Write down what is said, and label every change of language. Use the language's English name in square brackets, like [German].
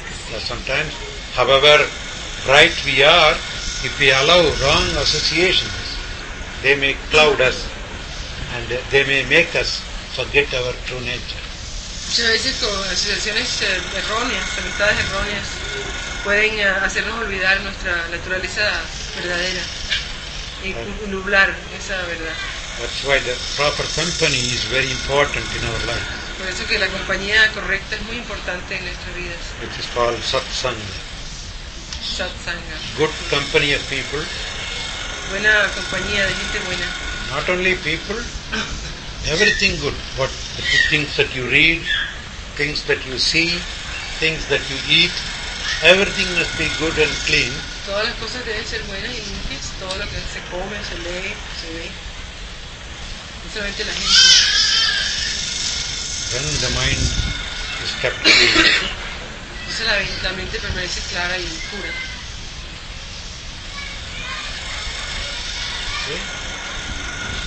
[English] But sometimes, however right we are, if we allow wrong associations, they may cloud us and they may make us forget our true nature. [Spanish] Muchas veces con asociaciones erróneas, amistades erróneas, pueden hacernos olvidar nuestra naturaleza verdadera y nublar esa verdad. [English] That's why the proper company is very important in our life. [Spanish] Por eso que la compañía correcta es muy importante en nuestras vidas. [English] It is called satsanga. [Sanskrit] Satsanga. [English] Good company of people. [Spanish] Buena compañía de gente buena. [English] Not only people, everything good. What the things that you read, things that you see, things that you eat, everything must be good and clean. [Spanish] Todas las cosas deben ser buenas y limpias. Todo lo que se come, se lee, se ve. No solamente la gente. [English] Then the mind is kept clean. [Spanish] La mente permanece clara y pura. [English] See?